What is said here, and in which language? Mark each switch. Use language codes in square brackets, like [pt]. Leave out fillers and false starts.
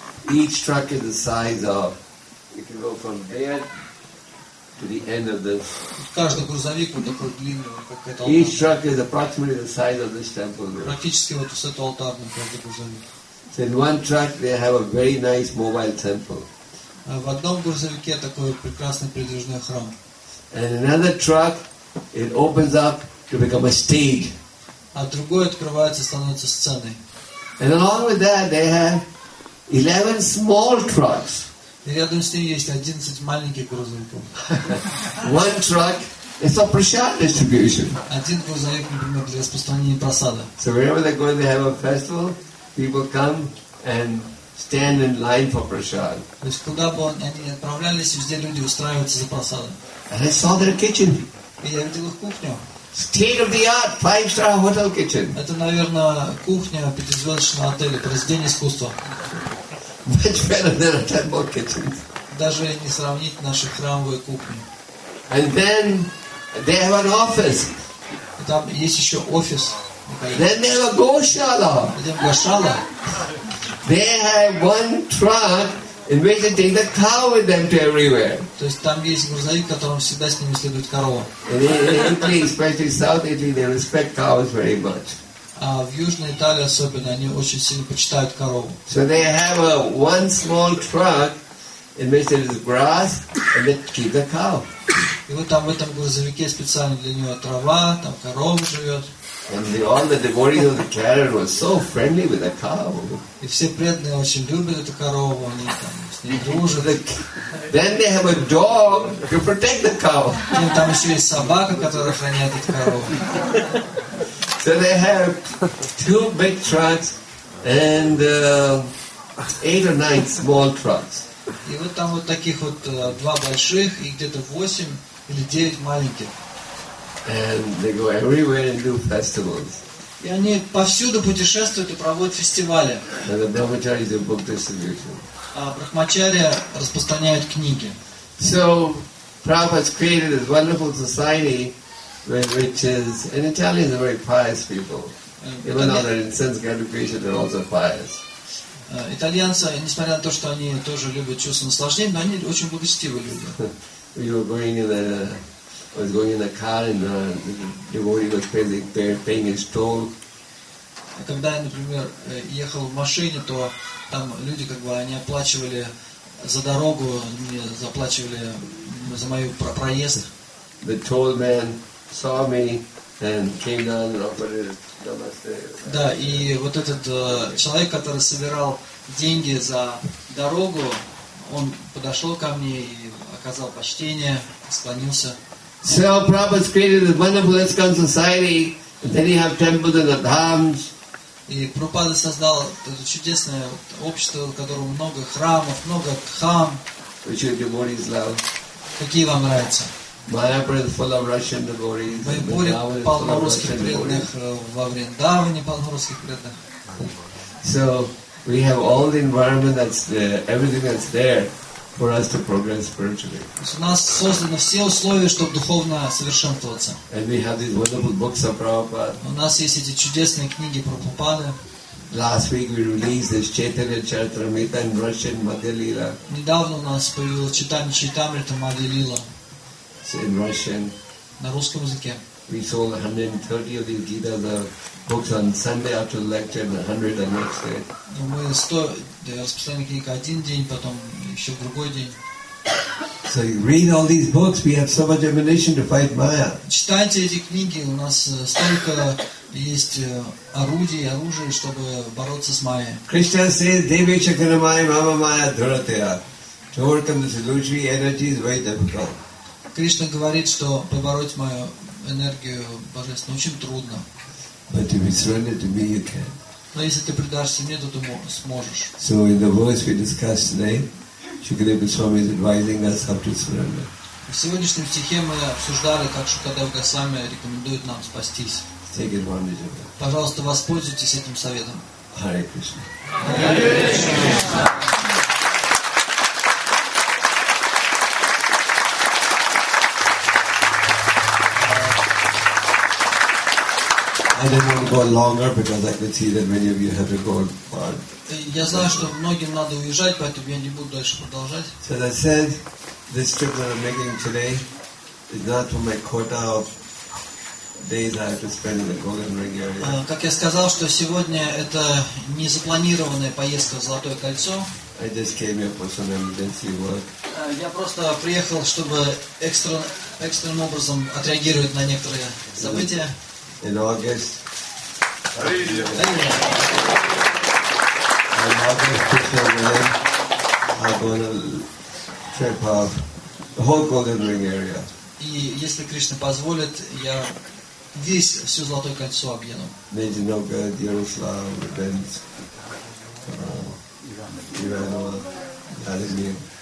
[en] Each truck is the size of, it can go from there to the end of this. [ru] Каждый грузовик вот такой длинный, как это. [en] Each truck is approximately the size of this temple. [ru] Практически вот с этого алтарь, каждый грузовик. [en] So in one truck they have a very nice mobile temple. [ru] В одном грузовике такой прекрасный передвижной храм. [en] And another truck, it opens up to become a stage. [ru] А другой открывается, становится сценой. [en] And along with that, they have 11 small trucks. [ru] И рядом с ним есть 11 маленьких грузовиков. [en] One truck, it's for prasad distribution. [ru] Один грузовик, например, для распространения просада. [en] So wherever they go, they have a festival. People come and stand in line for prasad. [ru] То есть куда бы они отправлялись, везде люди устраиваются за просадом. [en] And I saw their kitchen. [ru] И я видел их кухню. [en] State of the art, 5-star hotel kitchen. [ru] Это, наверное, кухня 5-звездочного отеля, произведение искусства. [en] Much better than a temple kitchen. [ru] Даже не сравнить наши храмовые кухни. [en] And then they have an office. [ru] И там есть еще офис. [en] Then they have a goshala. [ru] Это гошала. [en] They have one truck in which they take the cow with them to everywhere. [ru] То есть там есть грузовик, которым всегда с ними следует корова. [en] Italy, especially South Italy, they respect cows very much. [ru] А в Южной Италии особенно они очень сильно почитают корову. [en] So they have a one small truck it means there is grass and they keep the cow. [ru] И вот там в этом грузовике специально для него трава, там корова живет. [en] And the, all the devotees of the carriage were so friendly with the cow. [ru] И все преданные очень любят эту корову, они там с ней дружат. [en] Then they have a dog to protect the cow. [ru] Нет, там еще есть собака, которая охраняет эту корову. [en] So they have two big trucks and eight or nine small trucks. [ru] И вот там вот таких вот два больших и где-то восемь или девять маленьких. [en] And they go everywhere and do festivals. [ru] И они повсюду путешествуют и проводят фестивали. [en] And the Brahmacharya is a book distribution. [ru] А Брахмачария распространяет книги. [en] So Prabhupada created this wonderful society which is, and Italians are very pious people. Even though they're in sense gratification, they're also pious. [ru] Итальянцы, несмотря на то, что они тоже любят чувство наслаждения, но они очень благочестивые люди. [en] We were going in the, I was going in a car and the devotee was paying, his toll. [ru] Когда я, например, ехал в машине, то там люди, как бы, они оплачивали за дорогу, мне заплачивали за мою проезд. [en] The toll man saw me and came down and offered it. [hi] Namaste. [ru] Да, и вот этот человек, который собирал деньги за дорогу, он подошел ко мне и оказал почтение, склонился. [en] So Prabhupada created a wonderful ISKCON society, and then you have temples and the dhams. [ru] И Прабхупада создал это чудесное общество, в котором много храмов, много дхам. [en] Which your devotees love. [ru] Какие вам нравятся? [en] Майапура full of Russian devotees. [ru] Майапура полна русских преданных, во Вриндаване полно русских преданных. [en] So we have all the environment that's everything that's there for us to progress spiritually. [ru] У нас созданы все условия, чтобы духовно совершенствоваться. [en] And we have these wonderful books of Prabhupada. [ru] У нас есть эти чудесные книги Прабхупады. [en] Last week we released this Chaitanya Charitamrita in Russian Madhyalila. [ru] Недавно у нас появилось Chaitanya Charitamrita Madhyalila. [en] In Russian. [ru] На русском языке. [en] We sold 130 of these Gita the books on Sunday after the lecture and 100 the next day. [ru] Ну, мы 100 распространили книги один день, потом еще другой день. [en] So you read all these books, we have so much ammunition to fight Maya. [ru] Читайте эти книги, у нас столько есть орудий, оружия, чтобы бороться с Майей. [en] Krishna says, [sa] Devi Chakramai Mama Maya Dhuratya. [en] To overcome this illusory energy is very difficult. [ru] Кришна говорит, что побороть мою энергию божественную очень трудно. [en] But if you surrender to me, you can. [ru] Но если ты предашься мне, то ты сможешь. [en] So in the verse we discussed today, Shukadeva Goswami is advising us how to surrender. [ru] В сегодняшнем стихе мы обсуждали, как Шукадева Госвами рекомендует нам спастись. [en] Take advantage of it. [ru] Пожалуйста, воспользуйтесь этим советом. [en] Hare Krishna. I didn't want to go longer because I could see that many of you have to go on. [ru] Я знаю, что многим надо уезжать, поэтому я не буду дальше продолжать. [en] So as I said, this trip that I'm making today is not for my quota of days I have to spend in the Golden Ring area. [ru] Как я сказал, что сегодня это не запланированная поездка в Золотое кольцо. [en] I just came here for some emergency work. [ru] Я просто приехал, чтобы экстренным образом отреагировать на некоторые события. [en] In August, in August, I'm going on a trip of the whole Golden Ring area. [ru] И если Кришна позволит, я весь всю Золотое кольцо объеду. Нижегород, Ярослав, Бенц, Иваново, Владимир.